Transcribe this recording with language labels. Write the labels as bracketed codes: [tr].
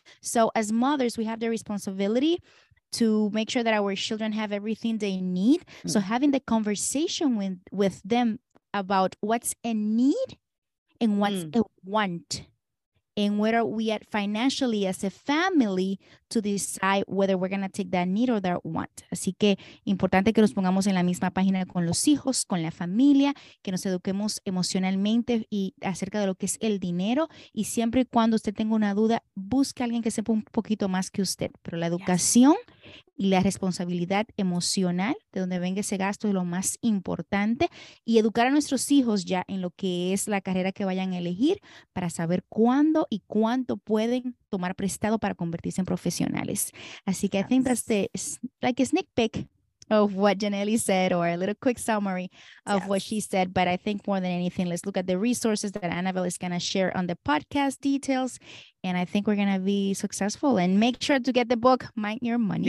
[en] So as mothers, we have the responsibility to make sure that our children have everything they need. So having the conversation with them about what's a need and what's a want, and where are we at financially as a family to decide whether we're going to take that need or that want. [es] Así que importante que nos pongamos en la misma página con los hijos, con la familia, que nos eduquemos emocionalmente y acerca de lo que es el dinero. Y siempre y cuando usted tenga una duda, busque a alguien que sepa un poquito más que usted. Pero la educación y la responsabilidad emocional, de donde venga ese gasto, es lo más importante. Y educar a nuestros hijos ya en lo que es la carrera que vayan a elegir, para saber cuándo y cuánto pueden tomar prestado para convertirse en profesionales. Así que [en] I think that's the, like a sneak peek of what Yanely said, or a little quick summary of what she said. But I think more than anything, let's look at the resources that Annabelle is going to share on the podcast details. And I think we're going to be successful. And make sure to get the book, Mind Your Money.